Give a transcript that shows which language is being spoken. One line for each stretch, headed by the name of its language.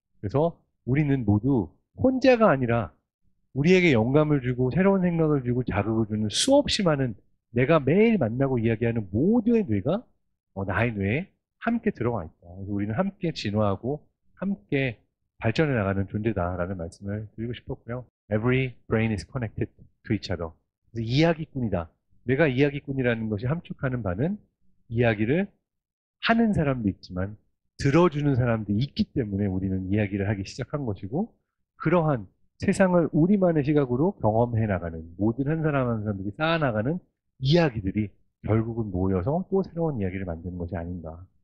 Korean: 그래서 우리는 모두 혼자가 아니라 우리에게 영감을 주고 새로운 생각을 주고 자극을 주는 수없이 많은 내가 매일 만나고 이야기하는 모두의 뇌가 나의 뇌에 함께 들어가 있다. 그래서 우리는 함께 진화하고 함께 발전해 나가는 존재다라는 말씀을 드리고 싶었고요.
English: Every brain is connected to each other.
Korean: 그래서 이야기꾼이다. 내가 이야기꾼이라는 것이 함축하는 바는 이야기를 하는 사람도 있지만 들어주는 사람도 있기 때문에 우리는 이야기를 하기 시작한 것이고, 그러한 세상을 우리만의 시각으로 경험해 나가는 모든 한 사람 한 사람들이 쌓아나가는 이야기들이 결국은 모여서 또 새로운 이야기를 만드는 것이 아닌가.